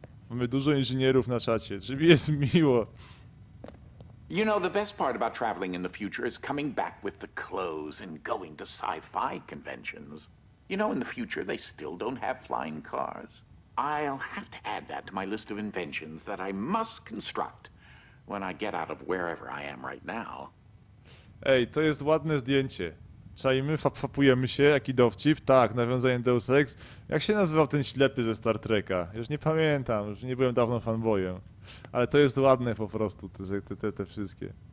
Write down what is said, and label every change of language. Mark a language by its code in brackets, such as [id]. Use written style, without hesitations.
[pl] Mamy dużo inżynierów na czacie, czy mi jest miło. [en] You know, the best part about traveling in the future is coming back with the clothes and going to sci-fi conventions. You know, in the future, they still don't have flying cars. I'll have to add that to my list of inventions that I must construct when I get out of wherever I am right now. [pl] Ej, to jest ładne zdjęcie. Czajmy, fapujemy się, jaki dowcip. Tak, nawiązanie Deus Ex. Jak się nazywał ten ślepy ze Star Treka? Już nie pamiętam, już nie byłem dawno fanboyem. Ale to jest ładne po prostu, te wszystkie.